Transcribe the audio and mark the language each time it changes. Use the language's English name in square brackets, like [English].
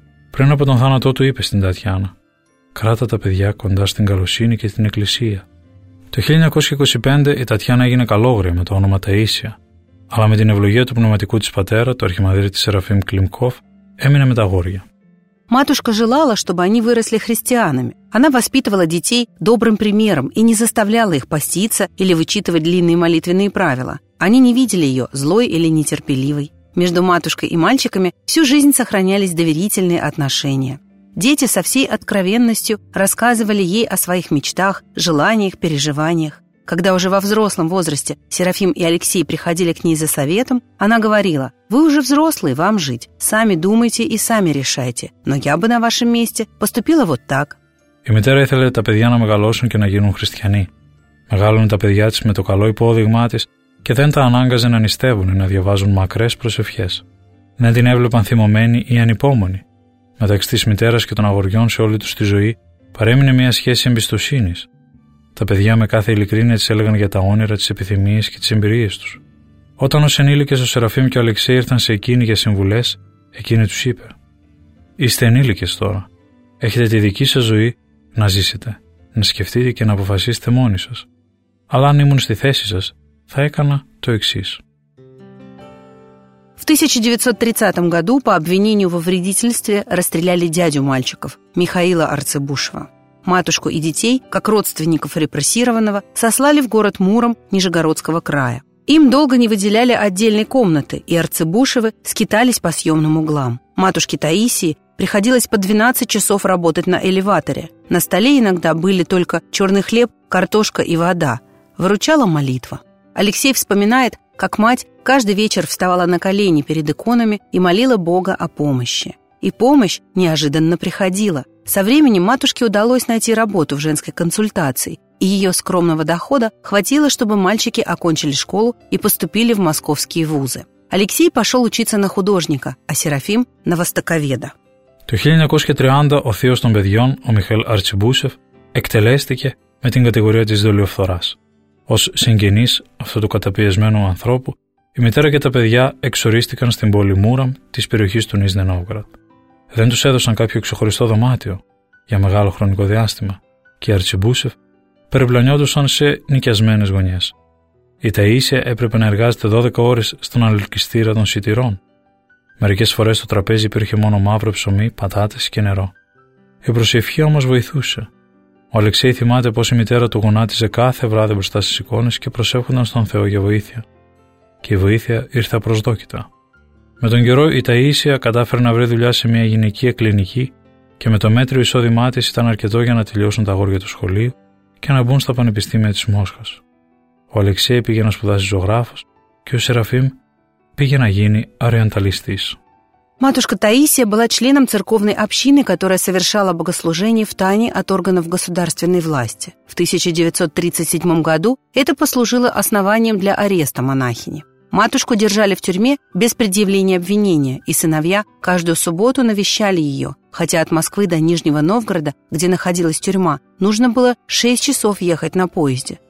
[Greek] Πριν από τον θάνατό του, είπε στην Τατιάνα: «Κράτα τα παιδιά κοντά στην καλοσύνη και στην Εκκλησία». Το 1925 η Τατιάνα έγινε καλόγρια με το όνομα Ταΐσια, αλλά με την ευλογία του πνευματικού της πατέρα, του αρχιμανδρίτη Σεραφείμ Климкова, έμεινε με τα αγόρια. [Russian] Матушка желала, чтобы они выросли христианами. Она воспитывала детей добрым примером и не заставляла их поститься или вычитывать длинные молитвенные правила. Они не видели ее злой или нетерпеливой. Между матушкой и мальчиками всю жизнь сохранялись доверительные отношения. Дети со всей откровенностью рассказывали ей о своих мечтах, желаниях, переживаниях. Когда уже во взрослом возрасте Серафим и Алексей приходили к ней за советом, она говорила: «Вы уже взрослые, вам жить. Сами думайте и сами решайте. Но я бы на вашем месте поступила вот так». [Greek] Η μητέρα ήθελε τα παιδιά να μεγαλώσουν και να γίνουν χριστιανοί. Μεγάλωνε τα παιδιά της με το καλό υπόδειγμά της και δεν τα ανάγκαζε να νηστεύουν ή να διαβάζουν μακρές προσευχές. Ναι, την έβλεπαν θυμωμένη ή ανυπόμονη. Μεταξύ της μητέρας και των αγοριών σε όλη τους τη ζωή παρέμεινε μια σχέση εμπιστοσύνης. Τα παιδιά με κάθε ειλικρίνεια της έλεγαν για τα όνειρα, τις επιθυμίες και τις εμπειρίες τους. Όταν ως ενήλικες ο Σεραφείμ και ο Αλεξέη ήρθαν σε εκείνη για συμβουλές, εκείνη τους είπε: «Είστε ενήλικες τώρα. Έχετε τη δική σας ζωή να ζήσετε, να σκεφτείτε και να αποφασίσετε μόνοι σας. Αλλά αν ήμουν στη θέση σας, θα έκανα το εξής». [Russian] В 1930 году по обвинению во вредительстве расстреляли дядю мальчиков, Михаила Арцебушева. Матушку и детей, как родственников репрессированного, сослали в город Муром Нижегородского края. Им долго не выделяли отдельной комнаты, и Арцебушевы скитались по съемным углам. Матушке Таисии приходилось по 12 часов работать на элеваторе. На столе иногда были только черный хлеб, картошка и вода. Выручала молитва. Алексей вспоминает, как мать каждый вечер вставала на колени перед иконами и молила Бога о помощи. И помощь неожиданно приходила. Со временем матушке удалось найти работу в женской консультации, и ее скромного дохода хватило, чтобы мальчики окончили школу и поступили в московские вузы. Алексей пошел учиться на художника, а Серафим – на востоковеда. [Greek] Το 1930 ο θείος των παιδιών, ο Μιχαήλ Αρτσιμπούσεφ, εκτελέστηκε με την κατηγορία της δολιοφθοράς. Ως συγγενής αυτού του καταπιεσμένου ανθρώπου, η μητέρα και τα παιδιά εξορίστηκαν στην πόλη Μούραμ της περιοχής του Νίζνε Νόβγραντ. Δεν τους έδωσαν κάποιο ξεχωριστό δωμάτιο για μεγάλο χρονικό διάστημα και οι Αρτσιμπούσεφ περιπλανιόντουσαν σε νοικιασμένες γωνιές. Η Ταΐσια έπρεπε να εργάζεται 12 ώρες στον αλκυστήρα των σιτηρών. Μερικές φορές στο τραπέζι υπήρχε μόνο μαύρο ψωμί, πατάτες και νερό. Η προσευχή όμως βοηθούσε. Ο Αλεξέη θυμάται πως η μητέρα του γονάτιζε κάθε βράδυ μπροστά στις εικόνες και προσεύχονταν στον Θεό για βοήθεια. Και η βοήθεια ήρθε απροσδόκητα. Με τον καιρό η Ταΐσια κατάφερε να βρει δουλειά σε μια γυναικεία κλινική και με το μέτριο εισόδημά της ήταν αρκετό για να τελειώσουν τα αγόρια του σχολείου και να μπουν στα πανεπιστήμια της Μόσχας. Ο Αλεξέη πήγε να σπουδάσει ζωγράφος και ο Σεραφείμ πήγε να γίνει οριανταλιστής. [Russian] Матушка Таисия была членом церковной общины, которая совершала богослужение в тайне от органов государственной власти. В 1937 году это послужило основанием для ареста монахини. Матушку держали в тюрьме без предъявления обвинения, и сыновья каждую субботу навещали ее, хотя от Москвы до Нижнего Новгорода, где находилась тюрьма, нужно было 6 часов ехать на поезде.